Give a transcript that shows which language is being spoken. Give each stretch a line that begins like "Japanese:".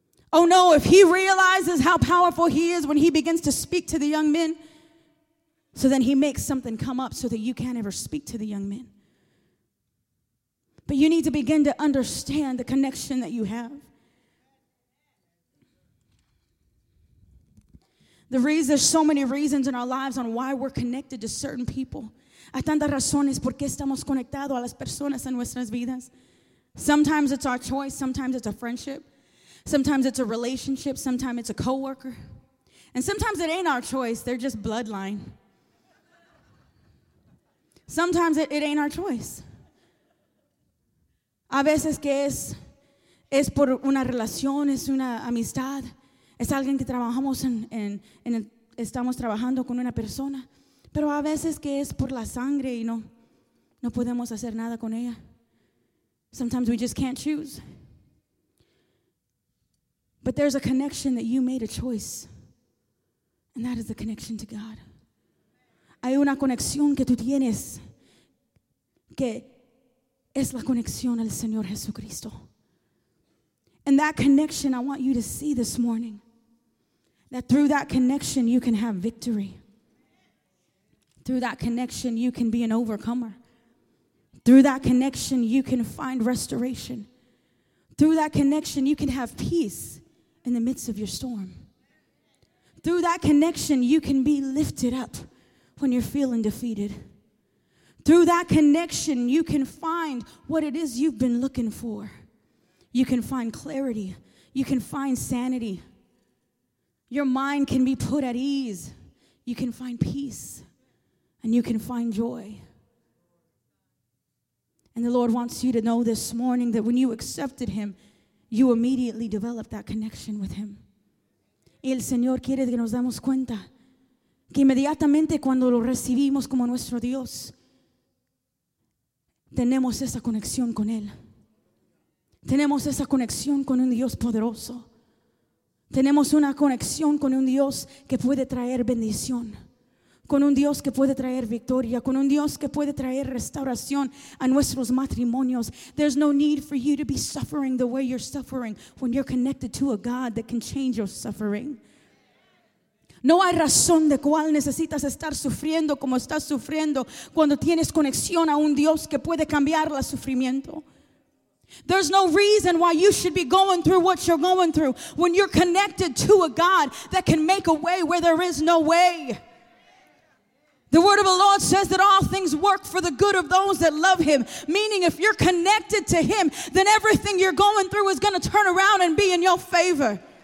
English: Oh no, if he realizes how powerful he is when he begins to speak to the young men, so then he makes something come up so that you can't ever speak to the young men. But you need to begin to understand the connection that you have. There's so many reasons in our lives on why we're connected to certain people.
Spanish: Hay tantas razones por qué estamos conectados a las personas en nuestras vidas.
English: Sometimes it's our choice. Sometimes it's a friendship. Sometimes it's a relationship. Sometimes it's a coworker. And sometimes it ain't our choice. They're just bloodline. Sometimes it ain't our choice.
Spanish: A veces que es por una relación, es una amistad. Es alguien que trabajamos en estamos trabajando con una persona, pero a veces que es por la sangre y no podemos hacer nada con ella.
English: Sometimes we just can't choose. But there's a connection that you made a choice, and that is the connection to God.
Spanish: Hay una conexión que tú tienes que es la conexión al Señor Jesucristo.
English: And that connection, I want you to see this morning, that through that connection, you can have victory. Through that connection, you can be an overcomer. Through that connection, you can find restoration. Through that connection, you can have peace in the midst of your storm. Through that connection, you can be lifted up when you're feeling defeated. Through that connection, you can find what it is you've been looking for. You can find clarity. You can find sanity. Your mind can be put at ease. You can find peace. And you can find joy. And the Lord wants you to know this morning that when you accepted him, you immediately developed that connection with him.
Spanish: El Señor quiere que nos demos cuenta que inmediatamente cuando lo recibimos como nuestro Dios, tenemos esa conexión con él. Tenemos esa conexión con un Dios poderoso. Tenemos una conexión con un Dios que puede traer bendición, con un Dios que puede traer victoria, con un Dios que puede traer restauración a nuestros matrimonios.
English: There's no need for you to be suffering the way you're suffering when you're connected to a God that can change your suffering.
Spanish: No hay razón de cuál necesitas estar sufriendo como estás sufriendo cuando tienes conexión a un Dios que puede cambiar el sufrimiento.
English: There's no reason why you should be going through what you're going through when you're connected to a God that can make a way where there is no way. The word of the Lord says that all things work for the good of those that love him. Meaning if you're connected to him, then everything you're going through is going to turn around and be in your favor.